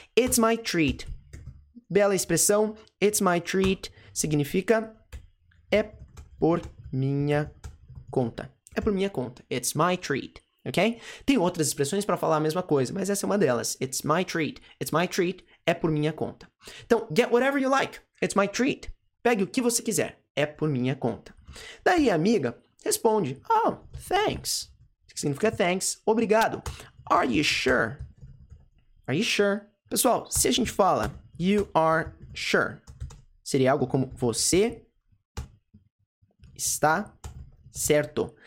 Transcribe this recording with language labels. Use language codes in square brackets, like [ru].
[en] It's my treat. [pt] Bela expressão, [en] it's my treat, [pt] significa é por minha conta. É por minha conta, [en] it's my treat, [pt] ok? Tem outras expressões para falar a mesma coisa, mas essa é uma delas. [en] It's my treat, [pt] é por minha conta. Então, [en] get whatever you like, it's my treat. [pt] Pegue o que você quiser, é por minha conta. Daí a amiga responde, [en] oh, thanks. [pt] Que significa [en] thanks, [pt] obrigado. [en] Are you sure? Are you sure? [pt] Pessoal, se a gente fala... [en] You are sure. [pt] Seria algo como você está certo.